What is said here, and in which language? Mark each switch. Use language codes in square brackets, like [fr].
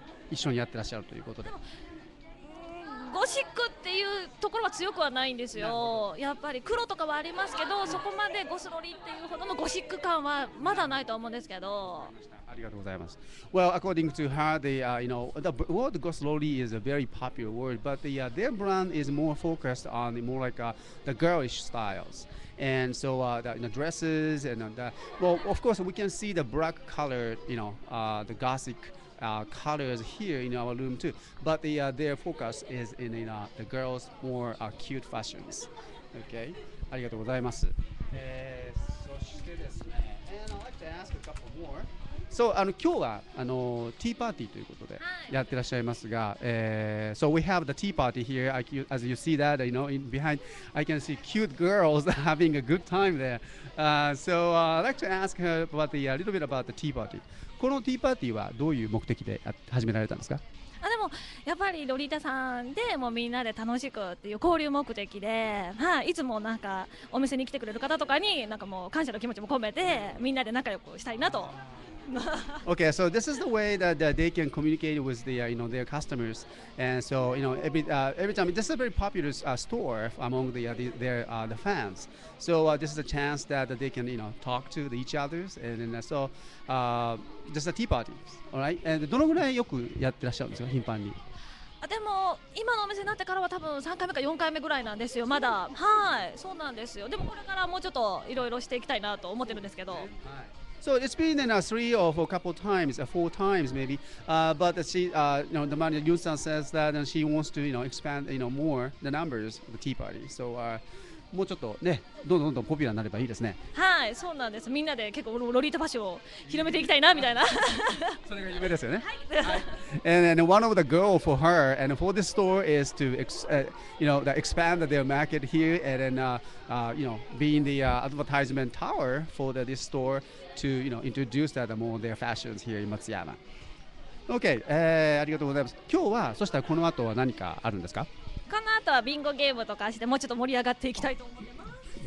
[ja] 一緒にやってらっしゃるということで。ゴシックっていうところは強くはないんですよ。やっぱり黒とかはありますけど、そこまでゴスロリっていうほどのゴシック感はまだないと思うんですけど。 [en] Well, according to her, the word Gosuri is a very popular word, but their brand is more focused on more like the girlish styles. And so dresses and that. Well, of course, we can see the black color, you know, the gothic colors here in our room too. But their focus is in the girls' more cute fashions. [ja] Okay, ありがとうございます。そしてですね、 [en] and I'd like to ask a couple more. [ja] So, 今日はティーパーティーということでやってらっしゃいますが、はい [en] So we have the tea party here, as you see that, you know, in behind, I can see cute girls having a good time there. I'd like to ask her about a little bit about the tea party. [ja] このティーパーティーはどういう目的で始められたんですか? あ、でもやっぱりロリータさんでもうみんなで楽しくっていう交流目的で、はあ、いつもなんかお店に来てくれる方とかになんかもう感謝の気持ちも込めてみんなで仲良くしたいなと。 [en] Okay, so this is the way that they can communicate with the, you know, their customers. And so, you know, every time, this is a very popular store among the fans. So this is a chance that they can, you know, talk to each other. And so, just a tea party, all right? [ja] And どのぐらいよくやってらっしゃるんですか、頻繁に。でも今のお店になってからは多分3回目か4回目ぐらいなんですよ、まだ。はい、そうなんですよ。でもこれからもうちょっといろいろしていきたいなと思ってるんですけど。 [en] So it's been in three or four couple times, four times maybe. But she, you know, the manager Yu-san says that and she wants to, you know, expand, you know, more the numbers of the tea party. So, [ja] もうちょっとね、どんどんどんポピュラーになればいいですね。はい、そうなんです。みんなで結構ロリータファッションを広めていきたいなみたいな。それが夢ですよね。はい。 [en] And then one of the goals for her and for this store is to, you know, expand their market here and then, you know, being the advertisement tower for this store to, you know, introduce that more their fashions here in Matsuyama. [ja] Okay, ありがとうございます。今日は、そしたらこの後は何かあるんですか? この後はビンゴゲームとかしてもうちょっと盛り上がっていきたいと思います。